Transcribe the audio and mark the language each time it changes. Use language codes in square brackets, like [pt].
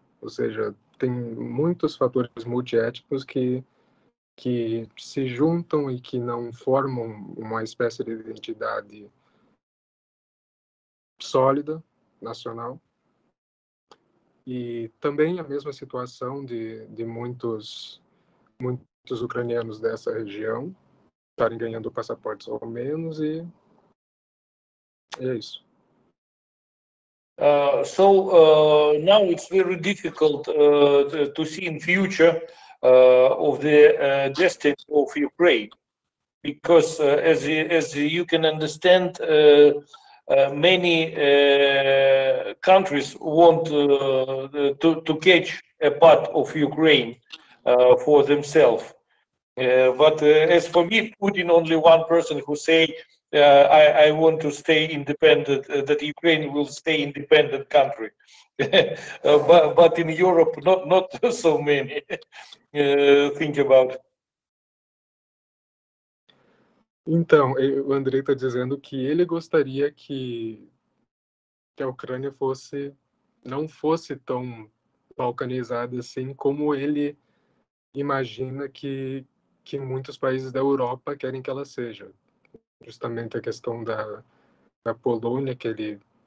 [pt] Ou seja, tem muitos fatores multiétnicos que se juntam e que não formam uma espécie de identidade sólida, nacional. E também a mesma situação de muitos ucranianos dessa região estarem ganhando passaportes ou menos, e é isso. [en] So now it's very difficult to see in future of the destiny of Ukraine, because as you can understand, many countries want to catch a part of Ukraine for themselves. But as for me, Putin only one person who say I want to stay independent, that Ukraine will stay independent country. but in Europe, not so many think about. [pt] Então, o André está dizendo que ele gostaria que a Ucrânia não fosse tão balcanizada assim como ele imagina que muitos países da Europa querem que ela seja. Justamente a questão da Polônia, que ele